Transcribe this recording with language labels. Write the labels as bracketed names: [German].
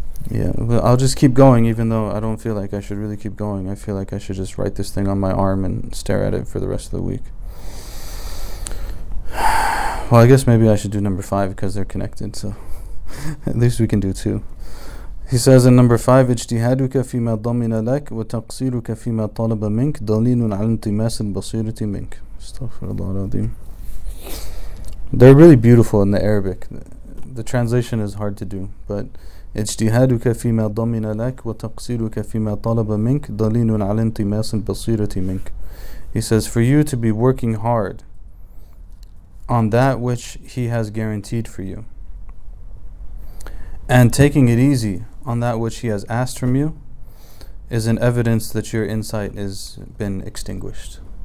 [English] I'll just keep going, even though I don't feel like I should really keep going. I feel like I should just write this thing on my arm and stare at it for the rest of the week. Well, I guess maybe I should do number 5 because they're connected, so at least we can do 2. He says in number 5, [Arabic] اجتهادُكَ فِيمَا ضَمِنَ لَكَ وَتَقْصِيرُكَ فِيمَا طَلَبَ مِنْكَ دَلِيلٌ عَلَى انْتِمَاسِ الْبَصِيرَةِ مِنْكَ. أستغفر الله العظيم. [English] They're really beautiful in the Arabic. The translation is hard to do, but [Arabic] اجتهادُكَ فِيمَا ضَمِنَ لَكَ وَتَقْصِيرُكَ فِيمَا طَلَبَ مِنْكَ دَلِيلٌ عَلَى انْتِمَاسِ الْبَصِيرَةِ مِنْكَ. [English] He says, for you to be working hard on that which he has guaranteed for you, and taking it easy on that which he has asked from you, is an evidence that your insight has been extinguished.